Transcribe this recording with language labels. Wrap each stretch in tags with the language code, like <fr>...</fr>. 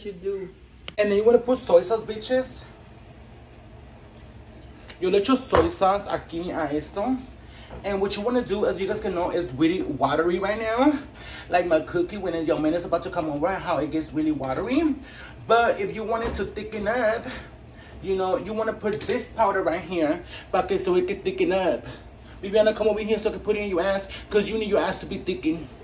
<en>she'd do. And you want to put soy sauce, bitches?</en> <es>Yo le echo soy sauce aquí a esto.</es> <en>And what you want to do, as you guys can know, is really watery right now. Like my cookie when your man is about to come over, how it gets really watery. But if you want it to thicken up, you know, you want to put this powder right here</en> <es>para que</es> <en>so it can thicken up. Viviana, come over here so I can put it in your ass because you need your ass to be thickened.</en>